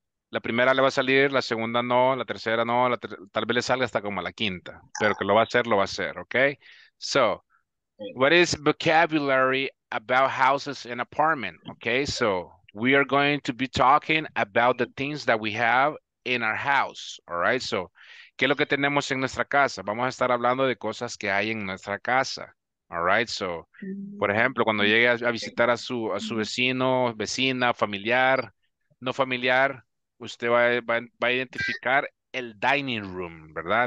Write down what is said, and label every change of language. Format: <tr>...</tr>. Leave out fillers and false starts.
<es>La primera le va a salir, la segunda no, la tercera no, tal vez le salga hasta como la quinta. Pero que lo va a hacer, okay?</es> <en>So, what is vocabulary about houses and apartment? Okay, so we are going to be talking about the things that we have in our house, all right?</en> <es>So, ¿qué es lo que tenemos en nuestra casa? Vamos a estar hablando de cosas que hay en nuestra casa.</es> <en>All right, so,</en> <es>por ejemplo, cuando llegue a visitar a su vecino, vecina, familiar, no familiar, usted va a identificar el dining room, ¿verdad?</es>